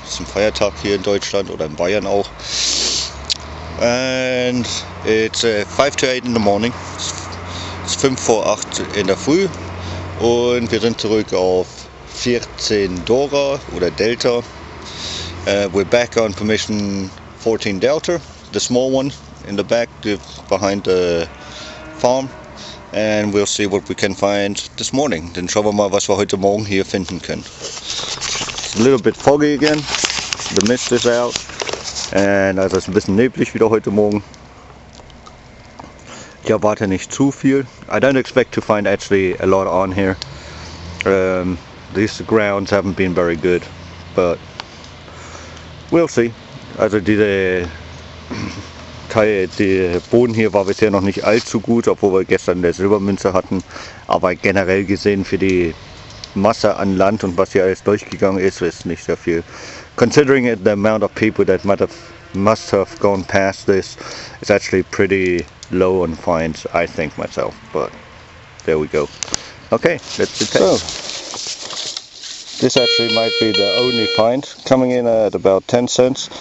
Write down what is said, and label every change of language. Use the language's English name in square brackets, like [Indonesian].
[German] Es ist ein Feiertag hier in Deutschland oder in Bayern auch. [English] And it's 5 to 8 in the morning. [German] Es ist 5 vor 8 in der Früh. Und wir sind zurück auf 14 Dora oder Delta. [English] We're back on permission 14 Delta, the small one in the back, behind the farm, and we'll see what we can find this morning. [German] Dann schauen wir mal, was wir heute Morgen hier finden können. [English] It's a little bit foggy again, the mist is out, and also [German] es ist ein bisschen neblig wieder heute Morgen. Ich erwarte nicht zu viel. [English] I don't expect to find actually a lot on here. These grounds haven't been very good, but we'll see. [German] Also der Boden hier war bisher noch nicht allzu gut, obwohl wir gestern eine Silbermünze hatten. Aber generell gesehen für die Masse an Land und was hier alles durchgegangen ist, ist nicht sehr viel. [English] Considering the amount of people that must have gone past this, it's actually pretty low on fines, I think myself. But there we go. Okay, let's see. So, this actually might be the only find, coming in at about 10 cents.